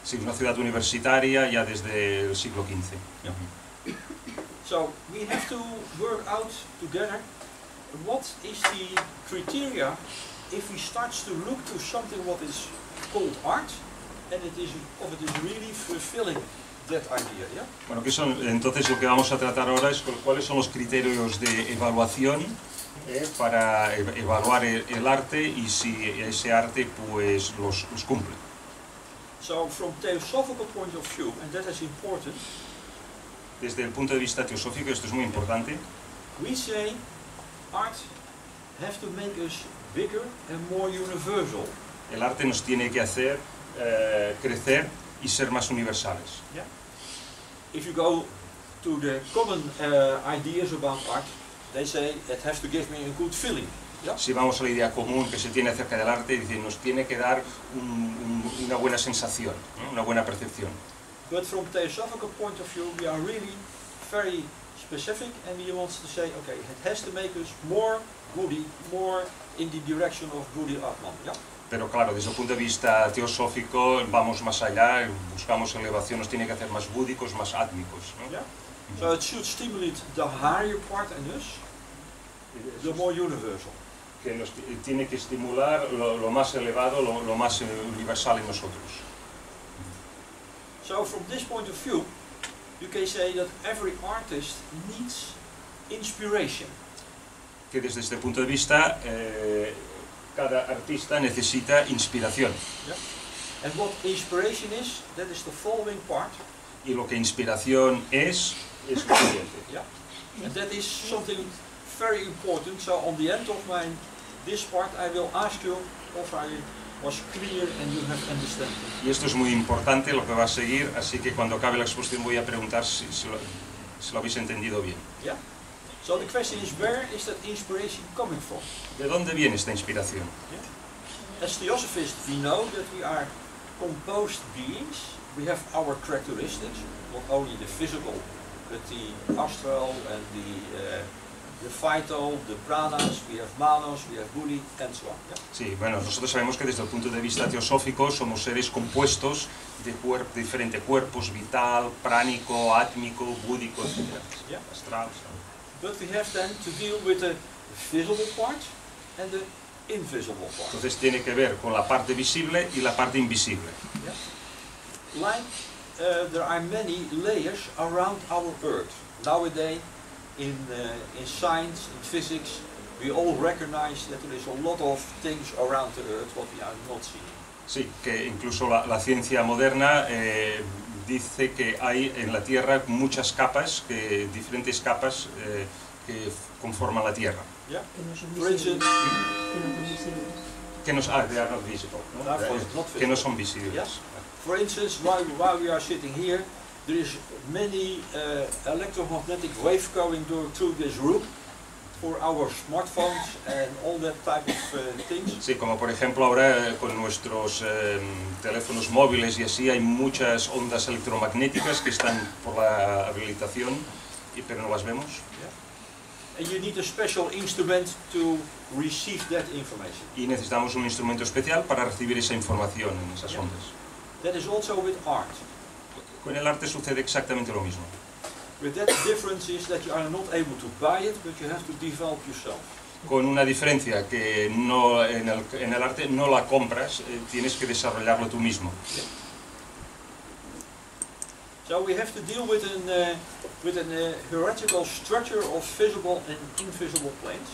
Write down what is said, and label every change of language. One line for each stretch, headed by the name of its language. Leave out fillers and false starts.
Spanish: Sí, una ciudad universitaria ya desde el siglo XV.
English: Yeah. So we have to work out together. What is the criteria if we start to look to something what is called art and it is really fulfilling that idea? Yeah?
Spanish: Bueno, que son, entonces lo que vamos a tratar ahora es cuáles son los criterios de evaluación para evaluar el arte y si ese arte pues los cumple.
English: So from theosophical point of view, and that is important.
Spanish: Desde el punto de vista teosófico, esto es muy importante.
English: We say art have to make us bigger and more universal.
Spanish: El arte nos tiene que hacer crecer y ser más universales.
English: Yeah. If you go to the common ideas about art, they say it has to give me a good feeling. Yeah.
Spanish: Si vamos a la idea común que se tiene acerca del arte, dicen nos tiene que dar una buena sensación, ¿no? Una buena percepción.
English: But from the theosophical point of view, we are really very specific, and we want to say, okay, it has to make us more goody, more in the direction of goody Atman. Yeah.
Spanish: Pero claro, desde el punto de vista teosófico, vamos más allá, buscamos elevación, nos tiene que hacer más búdicos, más átmicos.
English: ¿No? Yeah. So it should stimulate the higher part in us, the more universal.
Spanish: Que nos tiene que estimular lo más elevado, lo más universal en nosotros.
English: So from this point of view, you can say that every artist needs inspiration.
Spanish: Que desde este punto de vista, cada artista necesita inspiración.
English: Yeah. And what inspiration is, that is the following part.
Spanish: Y lo que inspiración es lo siguiente.
English: Yeah. And that is something very important. So on the end of my this part, I will ask you if I was clear and you have understood.
Spanish: Y esto es muy importante lo que va a seguir, así que cuando acabe la exposición voy a preguntar si lo habéis entendido bien.
English: Yeah. So the question is, where is that inspiration coming from?
Spanish: ¿De dónde viene esta inspiración?
English: Yeah. As theosophists, we know that we are composed beings. We have our characteristics, not only the physical, but the astral and the vital, the pranas, we have manos, we have buddhi, and so on. Yeah.
Spanish: Sí, bueno, nosotros sabemos que desde el punto de vista teosófico somos seres compuestos de diferentes cuerpos, vital, pránico, átmico, búdico, etc.
English: Yeah. Astral, so. But we have then to deal with a visible part and the invisible part.
Spanish: Entonces tiene que ver con la parte visible y la parte invisible.
English: Yeah. Like there are many layers around our Earth. Nowadays, in science, in physics, we all recognize that there is a lot of things around the Earth what we are not seeing.
Spanish: Sí, que incluso la ciencia moderna dice que hay en la Tierra muchas capas, que diferentes capas que conforman la Tierra. Que no son visibles. Que no son visibles.
English: For instance, while we are sitting here, there is many electromagnetic waves going through this room. For our smartphones and all that type of things.
Spanish: Sí, como por ejemplo ahora con nuestros teléfonos móviles y así hay muchas ondas electromagnéticas que están por la habilitación, pero no las vemos.
English: Yeah. And you need a special instrument to receive that information.
Spanish: Y necesitamos un instrumento especial para recibir esa información en esas ondas.
English: That is also with art.
Spanish: Con el arte sucede exactamente lo mismo.
English: With that difference is that you are not able to buy it, but you have to develop yourself.
Spanish: Con una diferencia que no en el arte no la compras, tienes que desarrollarlo tú mismo.
English: So we have to deal with a hierarchical structure of visible and invisible planes.